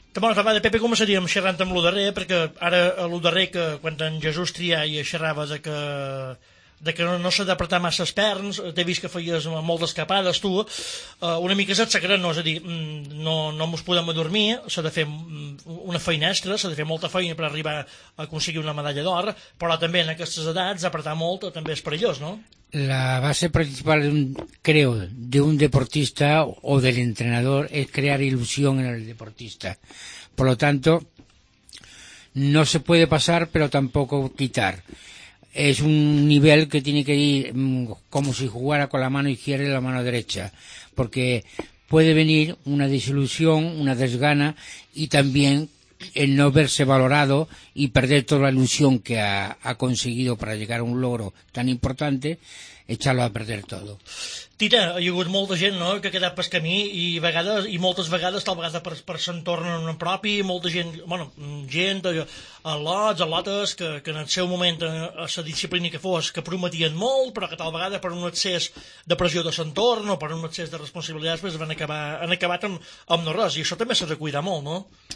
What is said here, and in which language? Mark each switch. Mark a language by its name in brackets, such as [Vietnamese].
[Catalan] Bona tarda, Pepe, començaríem xerrant amb el darrer, perquè ara el darrer, que quan en Jesús Triay xerrava de que no s'ha d'apretar massa els perns, t'he vist que feies molt d'escapades, tu, una mica se't secret, no? És a dir, no mos podem adormir, s'ha de fer una feina extra, s'ha de fer molta feina per arribar a aconseguir una medalla d'or, però també en aquestes edats apretar molt també és perillós, no? [Spanish] La base principal, creo, de un deportista o del entrenador es crear ilusión en el deportista. Por lo tanto, no se puede pasar, pero tampoco quitar. Es un nivel que tiene que ir como si jugara con la mano izquierda y la mano derecha. Porque puede venir una desilusión, una desgana y también el no verse valorado y perder toda la ilusión que ha conseguido para llegar a un logro tan importante, echarlo a perder todo. [Catalan] Tita, hi ha hagut molta gent, no?, que ha quedat pel camí i moltes vegades, tal vegada per s'entorn en propi, molta gent, bueno, gent, alotes, que en el seu moment, a la disciplina que fos, que prometien molt, però que tal vegada per un excés de pressió de s'entorn o per un excés de responsabilitats, pues, han acabat amb no res, i això també s'ha de cuidar molt, no?